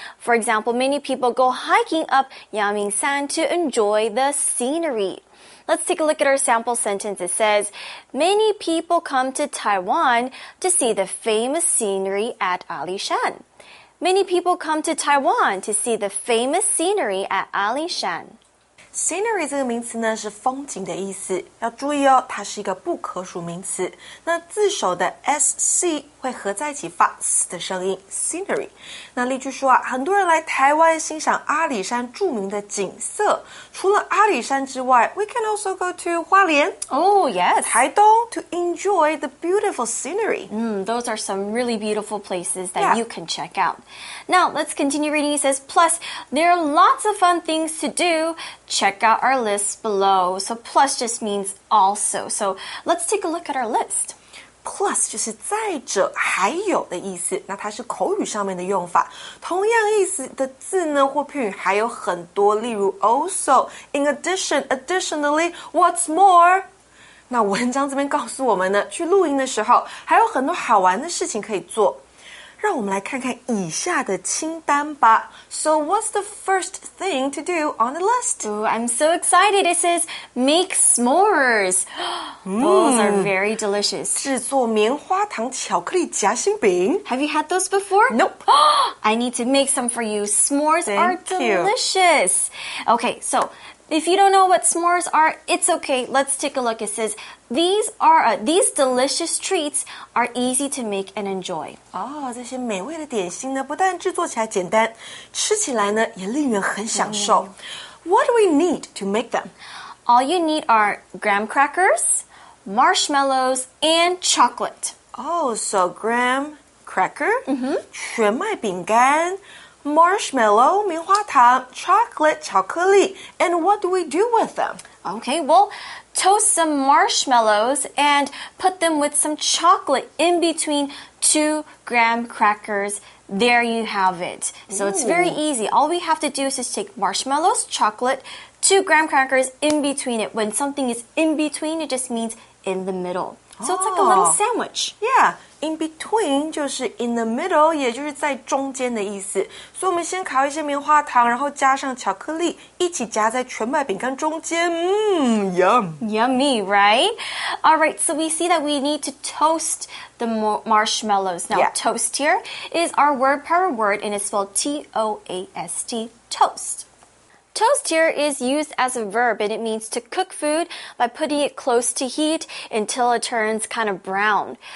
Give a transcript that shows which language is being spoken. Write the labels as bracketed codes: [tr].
[en] For example, many people go hiking up Yangming San to enjoy the scenery. Let's take a look at our sample sentence. It says, many people come to Taiwan to see the famous scenery at Alishan. Many people come to Taiwan to see the famous scenery at Alishan. [zh] Scenery 这个名词呢是风景的意思。要注意哦，它是一个不可数名词。那字首的 SC 会合在一起发 S 的声音 ,Scenery。那例句说啊，很多人来台湾欣赏阿里山著名的景色。除了阿里山之外 [en] ,we can also go to 花莲。 Oh, yes. 台东 to enjoy the beautiful scenery. Those are some really beautiful places that you can check out. Now, let's continue reading. He says, plus, there are lots of fun things to do. Check out our list below. So plus just means also. So let's take a look at our list. [zh] Plus 就是再者还有的意思，那它是口语上面的用法。同样意思的字呢或片语还有很多，例如 [en] also, in addition, additionally, what's more? [zh] 那文章这边告诉我们呢，去露营的时候还有很多好玩的事情可以做。让我们来看看以下的清单吧。 [en] So what's the first thing to do on the list? Ooh, I'm so excited. It says make s'mores. Those are very delicious. [zh] 制作棉花糖巧克力夹心饼。 [en] Have you had those before? Nope. I need to make some for you. S'mores are delicious. Okay, so If you don't know what s'mores are, it's okay. Let's take a look. It says, these delicious treats are easy to make and enjoy. [zh] 哦，这些美味的点心呢，不但制作起来简单，吃起来呢，也令人很享受。 [en] What do we need to make them? All you need are graham crackers, marshmallows, and chocolate. Oh, so graham cracker, 全麦饼干, marshmallow, 棉花糖, chocolate, 巧克力, and what do we do with them? Okay, well, toast some marshmallows and put them with some chocolate in between two graham crackers. There you have it. So it's very easy. All we have to do is just take marshmallows, chocolate, two graham crackers in between it. When something is in between, it just means in the middle. So it's like a little sandwich. [zh] Yeah, in between 就是 in the middle, 也就是在中间的意思。所以我们先烤一些棉花糖，然后加上巧克力，一起夹在全麦饼干中间。 [en] Yum. Yummy, right? All right, so we see that we need to toast the marshmallows. Now, toast here is our word power word, and it's spelled T-O-A-S-T, toast. Toast here is used as a verb, and it means to cook food by putting it close to heat until it turns kind of brown.